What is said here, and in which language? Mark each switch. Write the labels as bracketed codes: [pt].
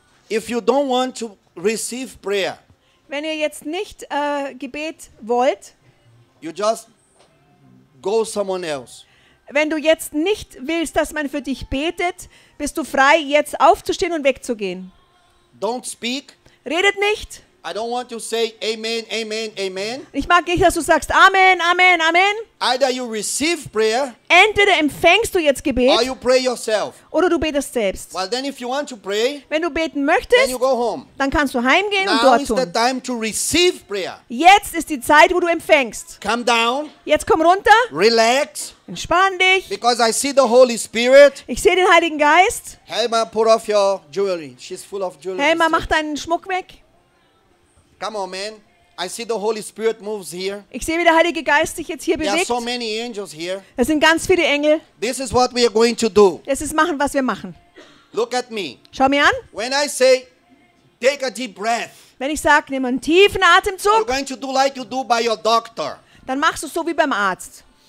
[en] If you don't want to receive prayer. [de] Wenn ihr jetzt nicht Gebet wollt. [en] You just go someone else. [de] Wenn du jetzt nicht willst, dass man für dich betet, bist du frei, jetzt aufzustehen und wegzugehen. [en] Don't speak. [de] Redet nicht. [en] I don't want to say amen, amen, amen. [de] Ich mag nicht, dass du sagst Amen, Amen, Amen. [en] Either you receive prayer, [de] entweder empfängst du jetzt Gebet [en] or you pray yourself. [de] Oder du betest selbst. [en] Well, then if you want to pray, [de] wenn du beten möchtest, [en] then you go home. [de] Dann kannst du heimgehen [en] now [de] und dort [en] is [de] tun. [en] The time to receive prayer. [de] Jetzt ist die Zeit, wo du empfängst. [en] Come down, [de] jetzt komm runter. [en] Relax, [de] entspann dich. [en] Because I see the Holy Spirit. [de] Ich sehe den Heiligen Geist. [en] Helma, put off your jewelry. She's full of jewelry. [de] Helma, mach deinen Schmuck weg. [en] Come on, man. I see the Holy Spirit moves here. [de] Ich sehe, wie der Heilige Geist sich jetzt hier bewegt. [en] There are so many angels here. [de] Es sind ganz viele Engel. [en] This is what we are going to do. [de] Es ist machen, was wir machen. [en] Look at me. [de] Schau mir an. [en] When I say, take a deep breath. [de] Wenn ich sage, nimm einen tiefen Atemzug. [en] You're going to do like you do by your doctor. [de] Dann machst du so wie beim Arzt.